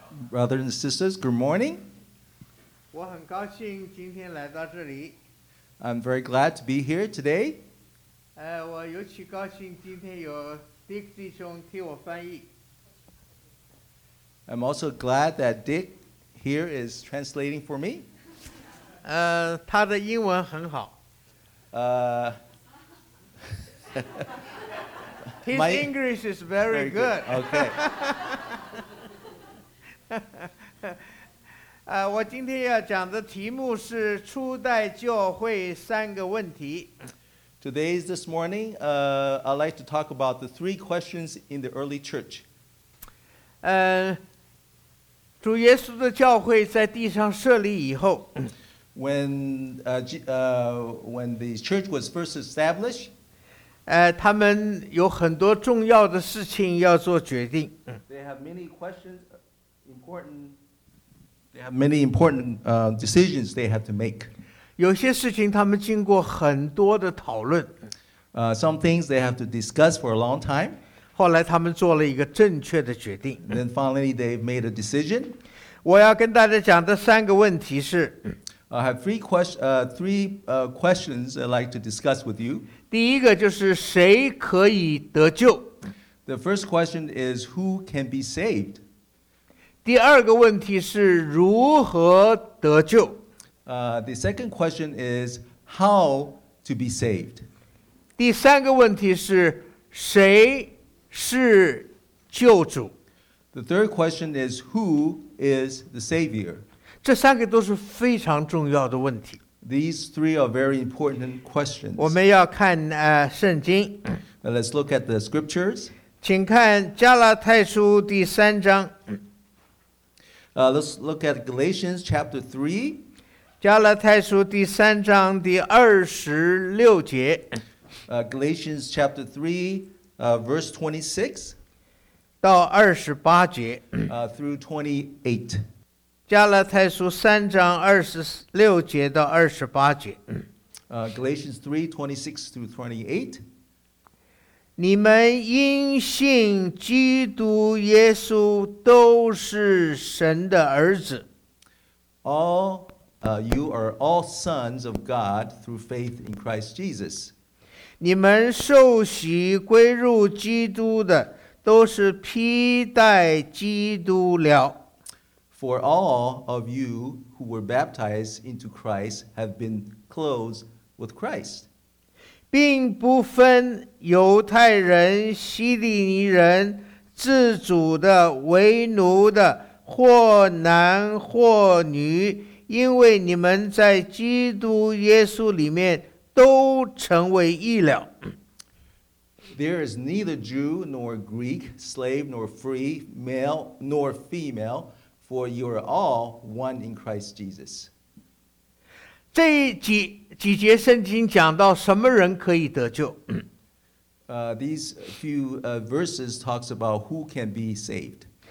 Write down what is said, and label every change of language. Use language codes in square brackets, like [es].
[en] Brothers and sisters, good morning. [zh] 我很高兴今天来到这里。 [en] I'm very glad to be here today. [zh] 我尤其高兴今天有 Dick 弟兄替我翻译。 [en] I'm also glad that Dick here is translating for me. [zh] 他的英文很好。 [en] His English is very good. Okay. [zh] 我今天要讲的题目是初代教会三个问题。 [en] This morning, I'd like to talk about the three questions in the early church. [zh] 主耶稣的教会在地上设立以后。 [en] When the church was first established, [zh] 他们有很多重要的事情要做决定。 [en] They have many important decisions they have to make. [zh] 有些事情他们经过很多的讨论。 [en] Some things they have to discuss for a long time. [zh] 后来他们做了一个正确的决定。 [en] Then finally they made a decision. [zh] 我要跟大家讲的三个问题是。 [en] I have three questions I'd like to discuss with you. [zh] 第一个就是谁可以得救。 [en] The first question is who can be saved? [zh] 第二个问题是如何得救。 [en] The second question is how to be saved? [zh] 第三个问题是谁是救主。 [en] The third question is who is the Savior? [zh] 这三个都是非常重要的问题。 [en] These three are very important questions. [zh] 我们要看圣经。 [en] Let's look at the scriptures. [zh] 请看加拉太书第三章。 [en] Let's look at Galatians chapter 3. [zh] 加拉太书第三章第二十六节。 [en] Galatians chapter 3, verse 26. [zh] 到二十八节。 [en] Through 28. [zh] 加拉太书三章二十六节到二十八节。 [en] Galatians 3, 26 through 28. [zh] 你们因信基督耶稣都是神的儿子。 [en] You are all sons of God through faith in Christ Jesus. [zh] 你们受洗归入基督的都是披戴基督了。 [en] For all of you who were baptized into Christ have been clothed with Christ. [zh] 并不分犹太人、希利尼人、自主的、为奴的、或男或女，因为你们在基督耶稣里面都成为义了。 [en] There is neither Jew nor Greek, slave nor free, male nor female, for you are all one in Christ Jesus. [zh] 这几节圣经讲到什么人可以得救？ [en] These few verses talks about who can be saved.